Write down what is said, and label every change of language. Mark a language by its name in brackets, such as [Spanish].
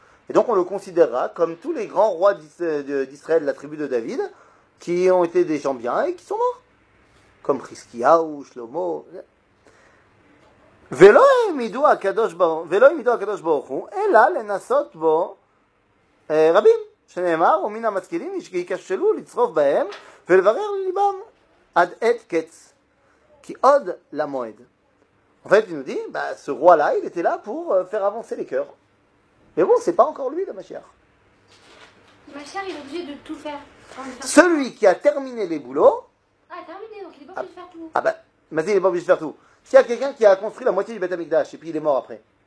[French] Et donc on le considérera comme tous les grands rois d'Israël, de la tribu de David, qui ont été des gens bien et qui sont morts. Comme Chizkiyahou, Shlomo. [Hebrew] ולא העמידו הקדוש ברוך הוא, אלא לנסות בו רבים, שנאמר, ומן המשכילים יכשלו לצרוף בהם ולברר לליבם עד עת קץ, כי עוד למועד. [French] En fait, il nous dit, bah, ce roi-là, il était là pour faire avancer les cœurs. Mais bon, c'est pas encore lui, le Mashiach. Ma chère, il est obligé de tout faire. Celui qui a terminé les boulots. Donc il est pas obligé de faire tout. Vas-y, il est pas obligé de faire tout. S'il y a quelqu'un qui a construit la moitié du Beth Amikdash et puis il est mort après.